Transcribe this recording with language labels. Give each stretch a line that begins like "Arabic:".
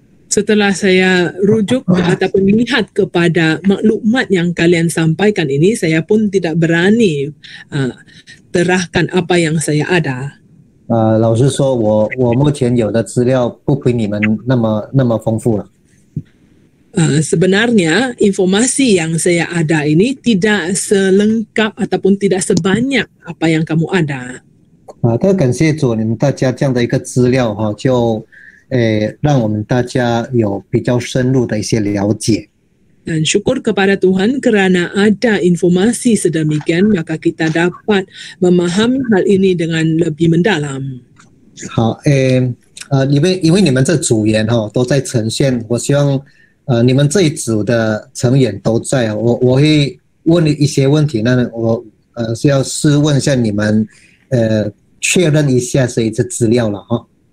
Malay: Setelah saya rujuk ataupun melihat kepada maklumat yang kalian sampaikan ini, saya pun tidak berani terahkan apa yang saya ada.
Chinese: 老实说，我目前有的资料不比你们那么丰富了。
Malay: Sebenarnya informasi yang saya ada ini tidak selengkap ataupun tidak sebanyak apa yang kamu ada。
Chinese: 太感谢主，你们大家这样的一个资料哈，就让我们大家有比较深入的一些了解。
Malay: Dan syukur kepada Tuhan kerana ada informasi sedemikian, maka kita dapat memahami hal ini dengan lebih mendalam.
Chinese: 好，因为你们这组员哈都在呈现，我希望你们这一组的成员都在，我会问一些问题，那我是要试问一下你们，确认一下这一次资料了哈。